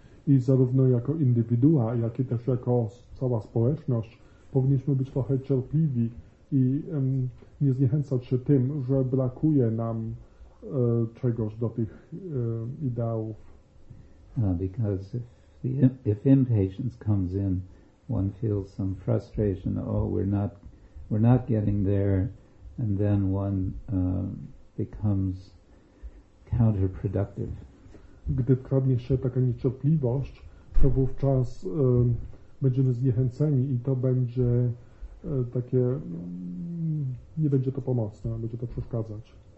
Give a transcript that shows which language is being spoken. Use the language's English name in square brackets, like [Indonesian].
[Polish] I zarówno jako indywidua, jak i też jako cała społeczność powinniśmy być trochę cierpliwi i nie zniechęcać się tym, że brakuje nam czegoś do tych ideałów. [English] Because if impatience comes in, one feels some frustration, oh, we're not getting there, and then one becomes counterproductive. [Polish] Gdy wkradnie się taka niecierpliwość, to wówczas będziemy zniechęceni i to będzie takie, nie będzie to pomocne, będzie to przeszkadzać.